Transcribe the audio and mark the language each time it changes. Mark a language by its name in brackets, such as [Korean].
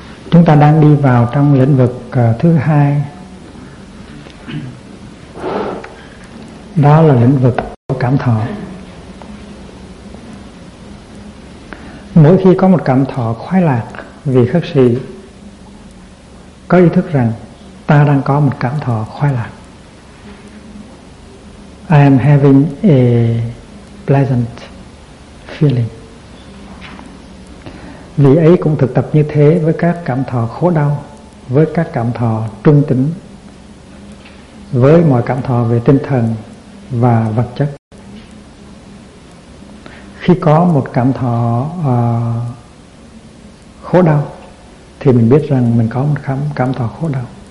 [Vietnamese] Chúng ta đang đi vào trong lĩnh vực thứ hai, đó là lĩnh vực của cảm thọ. Mỗi khi có một cảm thọ khoái lạc, vị khất sĩ có ý thức rằng ta đang có một cảm thọ khoái lạc. [English] I am having a pleasant feeling. [Vietnamese] Vị ấy cũng thực tập như thế với các cảm thọ khổ đau, với các cảm thọ trung tính, với mọi cảm thọ về tinh thần và vật chất. Khi có một cảm thọ khổ đau thì mình biết rằng mình có một cảm thọ khổ đau.